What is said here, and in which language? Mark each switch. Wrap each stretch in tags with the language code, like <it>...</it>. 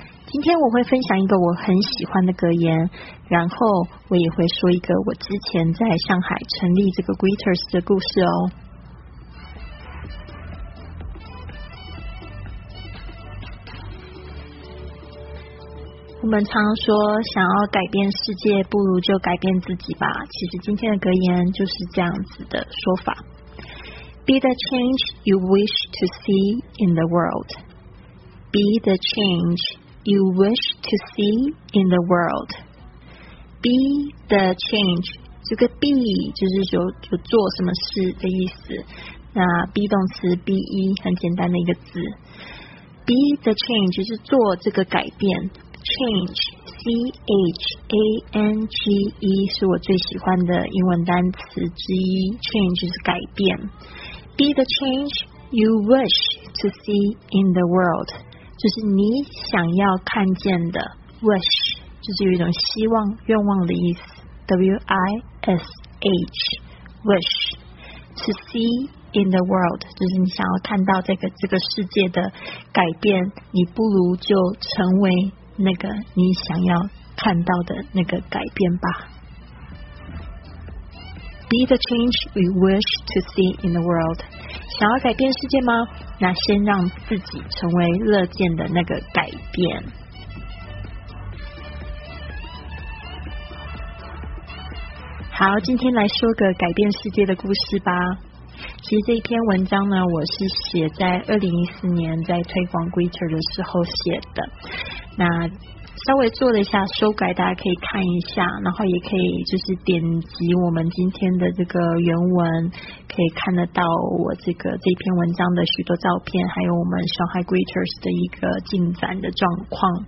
<zh>今天我会分享一个我很喜欢的格言，然后我也会说一个我之前在上海成立这个 Greeters 的故事哦。我们常说想要改变世界不如就改变自己吧，其实今天的格言就是这样子的说法。</zh> <en>Be the change you wish to see in the world. Be the change you wish to see in the world. Be the change，</en> <zh>这个 be 就是 就做什么事的意思，那 be 动词 be 很简单的一个字。</zh> <en>Be the change</en> <zh>就是做这个改变，Change, C-H-A-N-G-E 是我最喜欢的英文单词之一。 Change 是改变。</zh> <en>Be the change you wish to see in the world，</en> <zh>就是你想要看见的。 Wish 就是有一种希望愿望的意思，</zh> <en>W-I-S-H Wish to see in the world，</en> <zh>就是你想要看到这个世界的改变，你不如就成为那个你想要看到的那个改变吧。</zh> <en>Be the change we wish to see in the world，</en> <zh>想要改变世界吗？那先让自己成为乐见的那个改变。好，今天来说个改变世界的故事吧。其实这一篇文章呢，我是写在2014年在推广 Greeter 的时候写的，那稍微做了一下修改，大家可以看一下，然后也可以就是点击我们今天的这个原文，可以看得到我这篇文章的许多照片，还有我们 Shanghai Greeters 的一个进展的状况。</zh>